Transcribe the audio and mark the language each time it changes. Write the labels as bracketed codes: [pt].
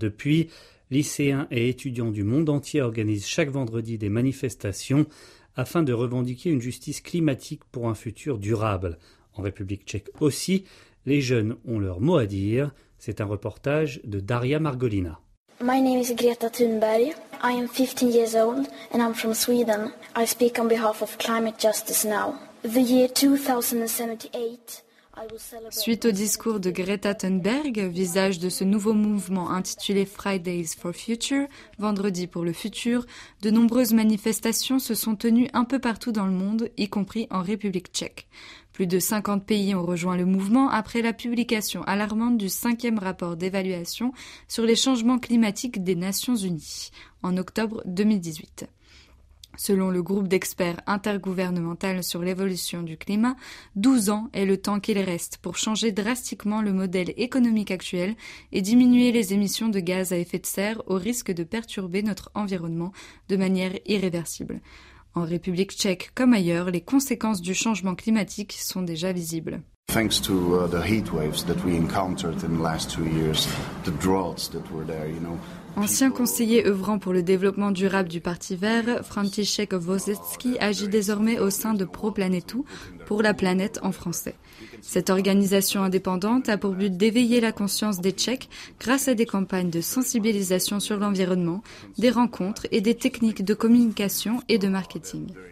[fr] Depuis, lycéens et étudiants du monde entier organisent chaque vendredi des manifestations afin de revendiquer une justice climatique pour un futur durable. En République tchèque aussi, les jeunes ont leur mot à dire. C'est un reportage de Daria Margolina. [en] My name is Greta Thunberg. I am 15 years old and I'm from Sweden. I speak on behalf of Climate Justice Now. The year 2078. [fr] Suite au discours de Greta Thunberg, visage de ce nouveau mouvement intitulé Fridays for Future, Vendredi pour le futur, de nombreuses manifestations se sont tenues un peu partout dans le monde, y compris en République tchèque. Plus de 50 pays ont rejoint le mouvement après la publication alarmante du 5e rapport d'évaluation sur les changements climatiques des Nations Unies, en octobre 2018. Selon le groupe d'experts intergouvernemental sur l'évolution du climat, 12 ans est le temps qu'il reste pour changer drastiquement le modèle économique actuel et diminuer les émissions de gaz à effet de serre au risque de perturber notre environnement de manière irréversible. En République tchèque comme ailleurs, les conséquences du changement climatique sont déjà visibles. [en] Thanks to the heat waves that we encountered in the last 2 years, the droughts that were there, you know. [fr] Ancien conseiller œuvrant pour le développement durable du Parti Vert, František Vozecký agit désormais au sein de Pro Planetu, pour la planète en français. Cette organisation indépendante a pour but d'éveiller la conscience des Tchèques grâce à des campagnes de sensibilisation sur l'environnement, des rencontres et des techniques de communication et de marketing.